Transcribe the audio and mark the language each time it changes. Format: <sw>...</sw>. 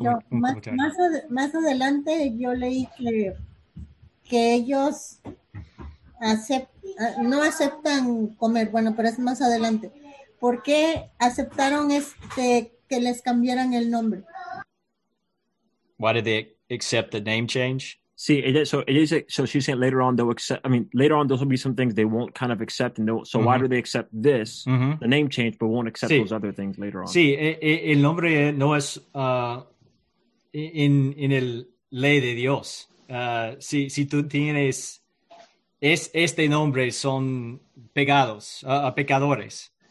<es>Más adelante yo leí que ellos no aceptan comer, bueno, pero es más adelante. ¿Por qué aceptaron que les cambiaran el nombre?</es> <en>Why did they accept the name change? Sí, so she's saying later on they'll accept, I mean, later on there'll be some things they won't kind of accept, and so mm-hmm. why do they accept this, mm-hmm. the name change, but won't accept sí. those other things later on?</en> <es>Sí, el nombre no es en el ley de Dios. Si tú tienes este nombre, son pecados, pecadores.</es>